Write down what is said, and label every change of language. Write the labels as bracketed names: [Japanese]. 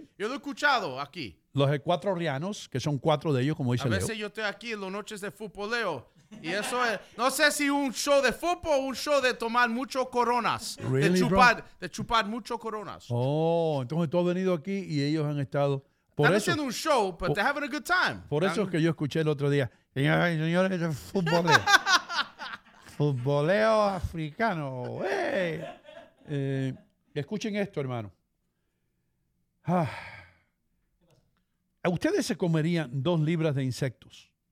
[Spanish] Yo lo he escuchado aquí. Los ecuatorianos, que son cuatro de ellos, como dice Leo. A veces yo estoy aquí en las noches de fútbol, Leo. Y eso es, no sé si un show de fútbol o un show de tomar mucho coronas. [English] Really, [Spanish] de chupar mucho coronas. Oh, entonces tú has venido aquí y ellos han estado... Están haciendo un show, [English] but they're having a good time. [Spanish] Por eso es que yo escuché el otro día. Señores, de fútbol. Fútboleo africano. ¡Ey! Escuchen esto, hermano. ¿A ustedes se comerían 2 libras de insectos?